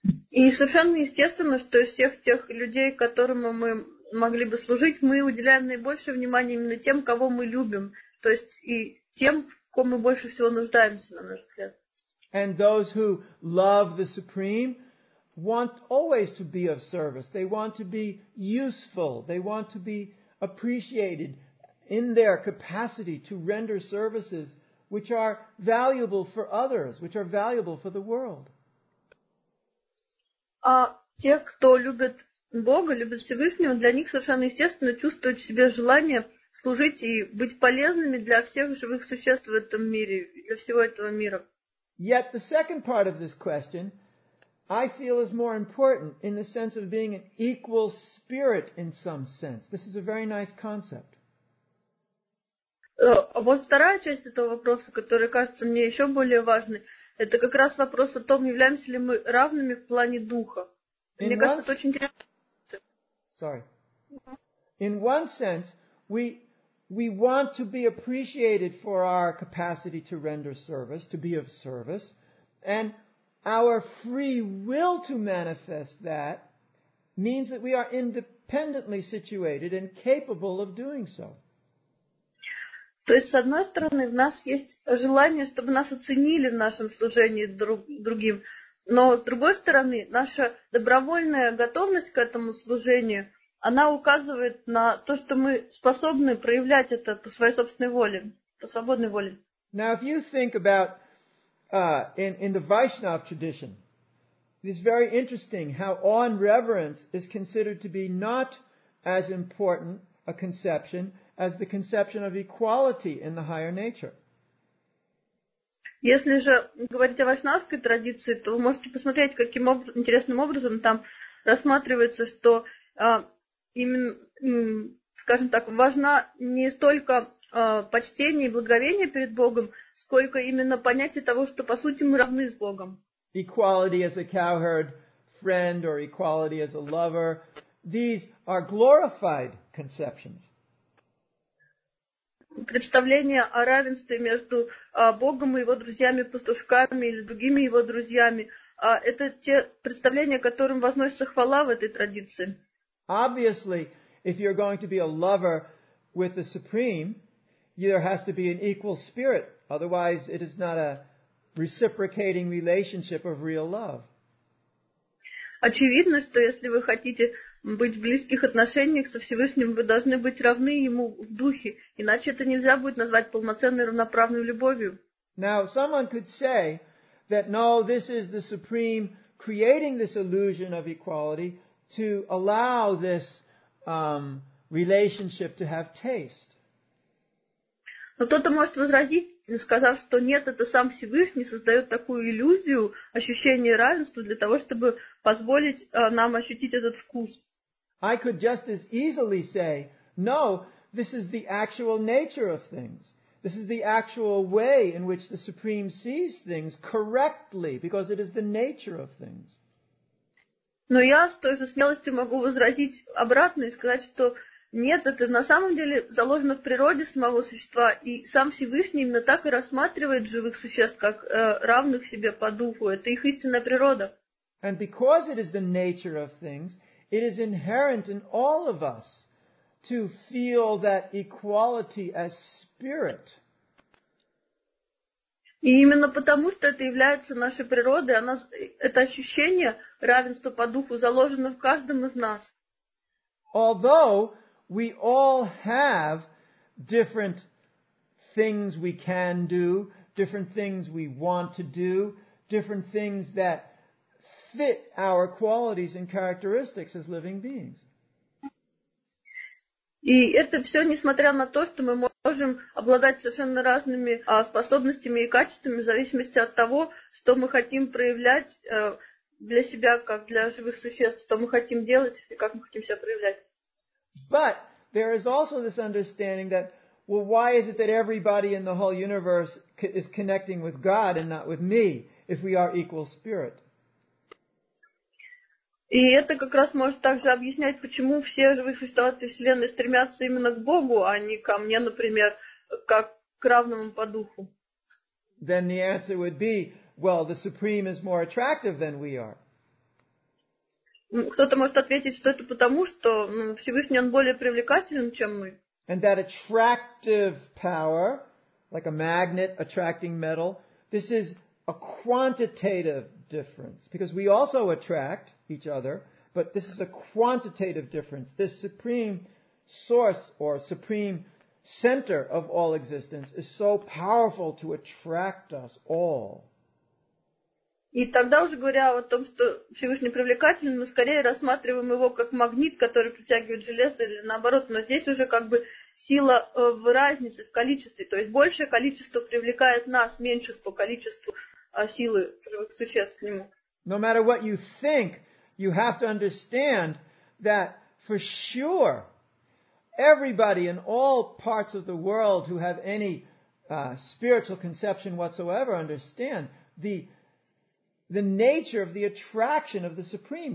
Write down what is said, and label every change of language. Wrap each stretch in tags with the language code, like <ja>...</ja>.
<ru>И совершенно естественно, что из всех тех людей, которым мы могли бы служить, мы уделяем наибольшее внимание именно тем, кого мы любим. То есть и тем, в ком мы больше всего нуждаемся, на наш взгляд.</ru> <en>And those who love the Supreme want always to be of service. They want to be useful. They want to be appreciated in their capacity to render services which are valuable for others, which are valuable for the world.</en> <ru>А те, кто любит Бога, любят Всевышнего, для них совершенно естественно чувствовать в себе желание служить и быть полезными для всех живых существ в этом мире, для всего этого мира.</ru> <en>Yet the second part of this question, I feel, is more important in the sense of being an equal spirit in some sense. This is a very nice concept.</en> <ru>Вот вторая часть этого вопроса, которая кажется мне еще более важной, это как раз вопрос о том, являемся ли мы равными в плане духа. Мне кажется, это очень интересно.</ru> <en>Sorry. In one sense, we want to be appreciated for our capacity to render service, to be of service, and our free will to manifest that means that we are independently situated and capable of doing so.</en> <ru>То есть, с одной стороны, в нас есть желание, чтобы нас оценили в нашем служении другим. Но, с другой стороны, наша добровольная готовность к этому служению, она указывает на то, что мы способны проявлять это по своей собственной воле, по свободной воле.</ru> <en>Now, if you think about in the Vaishnav tradition, it is very interesting how awe and reverence is considered to be not as important a conception as the conception of equality in the higher nature.</en> <ru>Если же говорить о вайшнавской традиции, то вы можете посмотреть, каким интересным образом там рассматривается, что именно, скажем так, важна не столько почтение и благоговение перед Богом, сколько именно понятие того, что по сути мы равны с Богом.</ru> <en>Equality as a cowherd friend or equality as a lover, these are glorified conceptions.</en> <ru>Представление о равенстве между Богом и его друзьями-пастушками или другими его друзьями, это те представления, которым возносится хвала в этой традиции.</ru> <en>Obviously, if you're going to be a lover with the Supreme, there has to be an equal spirit, otherwise it is not a reciprocating relationship of real love.</en> <ru>Очевидно, что если вы хотите быть в близких отношениях со Всевышним, вы должны быть равны Ему в духе, иначе это нельзя будет назвать полноценной равноправной любовью.</ru> <en>Now, someone could say that, no, this is the Supreme creating this illusion of equality to allow this relationship to have taste.</en> <ru>Но кто-то может возразить, сказав, что нет, это сам Всевышний создает такую иллюзию ощущения равенства для того, чтобы позволить нам ощутить этот вкус.</ru> <en>I could just as easily say, no, this is the actual nature of things. This is the actual way in which the Supreme sees things correctly, because it is the nature of things.</en> <ru>Но я с той же смелостью могу возразить обратно и сказать, что нет, это на самом деле заложено в природе самого существа, и сам Всевышний именно так и рассматривает живых существ, как равных себе по духу. Это их истинная природа.</ru> <en>And because it is the nature of things, it is inherent in all of us to feel that equality as spirit.</en> <ru>И именно потому, что это является нашей природой, она, это ощущение равенства по духу заложено в каждом из нас.</ru> <en>Although we all have different things we can do, different things we want to do, different things that fit our qualities and characteristics as living beings.</en> <ru>И это все несмотря на то, что мы можем обладать совершенно разными способностями и качествами в зависимости от того, что мы хотим проявлять для себя, как для живых существ, что мы хотим делать и как мы хотим себя проявлять.</ru> <en>But there is also this understanding that, well, why is it that everybody in the whole universe is connecting with God and not with me if we are equal spirit?</en> <ru>И это как раз может также объяснять, почему все живые существа этой вселенной стремятся именно к Богу, а не ко мне, например, как к равному по духу.</ru> <en>Then the answer would be, well, the Supreme is more attractive than we are.</en> <ru>Кто-то может ответить, что это потому, что Всевышний он более привлекателен, чем мы.</ru> <en>And that attractive power, like a magnet attracting metal, this is a quantitative difference, because we also attract each other, but this is a quantitative difference. This supreme source or supreme center of all existence is so powerful to attract us all.</en> <ru>И тогда уже говоря о том, что Всевышний привлекателен, мы скорее рассматриваем его как магнит, который притягивает железо или наоборот. Но здесь уже как бы сила в разнице, в количестве. То есть большее количество привлекает нас, меньше по количеству силы существ к нему.</ru> <en>No matter what you think, you have to understand that for sure everybody in all parts of the world who have any spiritual conception whatsoever understand the nature of the attraction of the Supreme.</en>